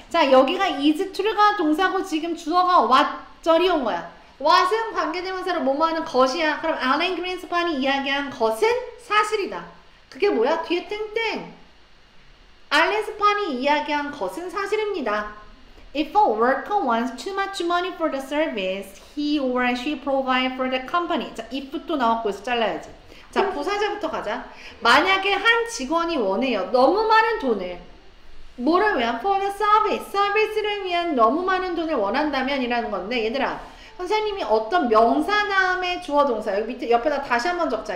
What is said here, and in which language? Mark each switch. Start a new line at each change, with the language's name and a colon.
Korean: 자, 여기가 is true가 동사고 지금 주어가 what절이 온 거야. what은 관계대명사로 뭐뭐하는 것이야. 그럼 Alan Greenspan이 이야기한 것은 사실이다. 그게 뭐야? 뒤에 땡땡. 알렌스판이 이야기한 것은 사실입니다.
English: If a worker wants too much money for the service, he or she provide for the company.
Korean: 자, if 또 나왔고 여기서 잘라야지. 자, 부사자부터 가자. 만약에 한 직원이 원해요. 너무 많은 돈을. 뭐를 위한? For the service. 서비스를 위한 너무 많은 돈을 원한다면 이라는 건데, 얘들아, 선생님이 어떤 명사 다음에 주어 동사, 여기 밑에 옆에다 다시 한번 적자.